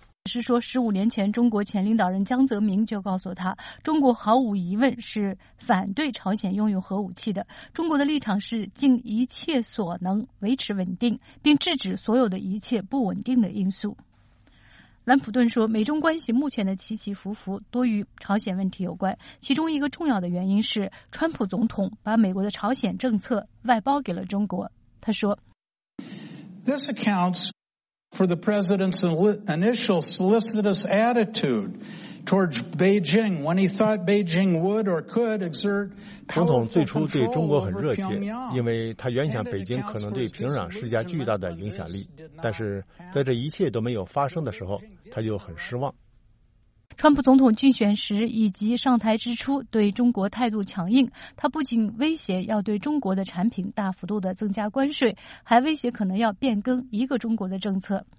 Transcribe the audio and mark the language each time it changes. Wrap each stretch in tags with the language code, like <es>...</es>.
<zh>是说15年前中国前领导人江泽民就告诉他，中国毫无疑问是反对朝鲜拥有核武器的，中国的立场是尽一切所能维持稳定，并制止所有的一切不稳定的因素。兰普顿说，美中关系目前的起起伏伏多与朝鲜问题有关，其中一个重要的原因是川普总统把美国的朝鲜政策外包给了中国。他说</zh> <en>This accounts for the president's initial solicitous attitude towards Beijing when he thought Beijing would or could exert powerful control over Pyongyang.</en> <zh>总统最初对中国很热切，因为他原想北京可能对平壤施加巨大的影响力，但是在这一切都没有发生的时候，他就很失望。川普总统竞选时以及上台之初对中国态度强硬，他不仅威胁要对中国的产品大幅度的增加关税，还威胁可能要变更一个中国的政策。</zh>